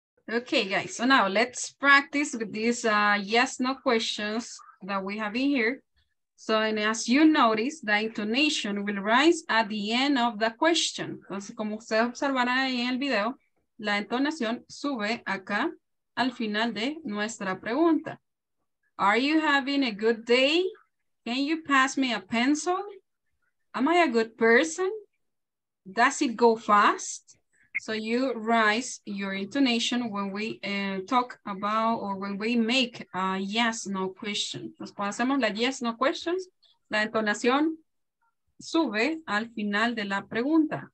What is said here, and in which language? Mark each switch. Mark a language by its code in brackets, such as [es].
[en] Okay, guys, so now let's practice with these yes-no questions that we have in here. So, and as you notice, the intonation will rise at the end of the question. [es] Entonces, como ustedes observarán ahí en el video, la entonación sube acá al final de nuestra pregunta. [en] Are you having a good day? Can you pass me a pencil? Am I a good person? Does it go fast? So you raise your intonation when we talk about or when we make a yes-no question. [es] Pues cuando hacemos las yes-no questions, la entonación sube al final de la pregunta.